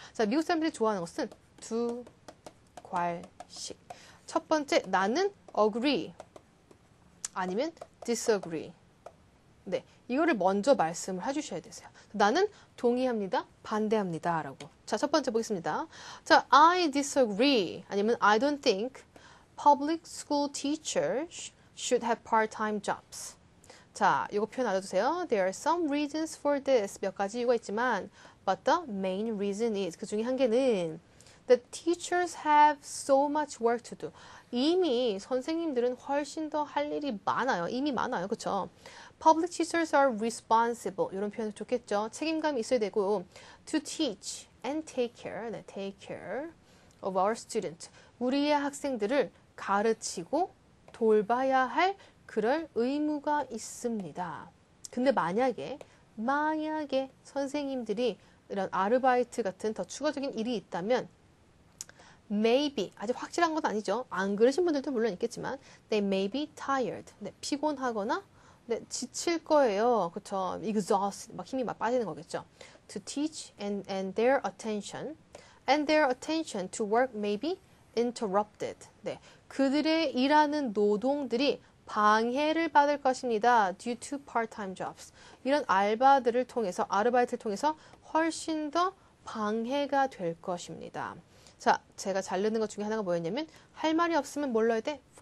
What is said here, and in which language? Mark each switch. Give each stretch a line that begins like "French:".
Korean: 자, 미국 사람들이 좋아하는 것은 두 괄식. 첫 번째, 나는 agree 아니면 disagree. 네, 이거를 먼저 말씀을 해주셔야 되세요. 나는 동의합니다, 반대합니다라고. 자, 첫 번째 보겠습니다.
English: 자, I disagree 아니면 I don't think public school teachers should have part-time jobs.
Korean: 자, 이거 표현 알려주세요.
English: There are some reasons for this.
Korean: 몇 가지 이유가 있지만,
English: but the main reason is
Korean: 그 중에 한 개는
English: the teachers have so much work to do.
Korean: 이미 선생님들은 훨씬 더할 일이 많아요. 이미 많아요, 그렇죠?
English: Public teachers are responsible.
Korean: 이런 표현이 좋겠죠. 책임감이 있어야 되고,
English: to teach and take care, 네, take care of our students.
Korean: 우리의 학생들을 가르치고 돌봐야 할 그럴 의무가 있습니다. 근데 만약에 선생님들이 이런 아르바이트 같은 더 추가적인 일이 있다면, maybe, 아직 확실한 건 아니죠. 안 그러신 분들도 물론 있겠지만,
English: they may be tired.
Korean: 네, 피곤하거나, 네, 지칠 거예요. 그쵸? exhaust, 막 힘이 막 빠지는 거겠죠.
English: to teach and their attention to work may be interrupted.
Korean: 네, 그들의 일하는 노동들이 방해를 받을 것입니다.
English: due to part-time jobs.
Korean: 이런 알바들을 통해서, 아르바이트를 통해서 훨씬 더 방해가 될 것입니다. 자, 제가 잘 넣는 것 중에 하나가 뭐였냐면, 할 말이 없으면 뭘 넣어야 돼?